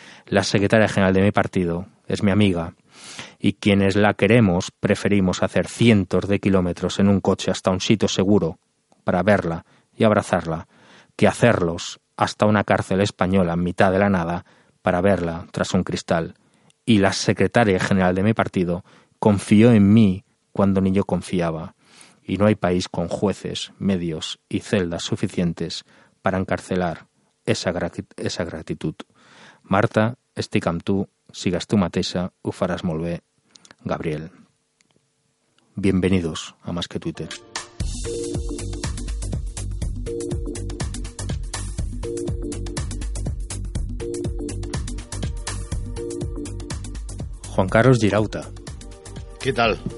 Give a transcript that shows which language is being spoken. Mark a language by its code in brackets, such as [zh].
[es] La secretaria general de mi partido es mi amiga y quienes la queremos preferimos hacer cientos de kilómetros en un coche hasta un sitio seguro para verla y abrazarla que hacerlos hasta una cárcel española en mitad de la nada para verla tras un cristal. Y la secretaria general de mi partido confió en mí cuando ni yo confiaba y no hay país con jueces, medios y celdas suficientes para encarcelar esa gratitud. [ca] Marta, estic amb tu, sigues tu mateixa, ho faràs molt bé. Gabriel. [es] Bienvenidos a Más que Twitter. Juan Carlos Girauta. ¿Qué tal?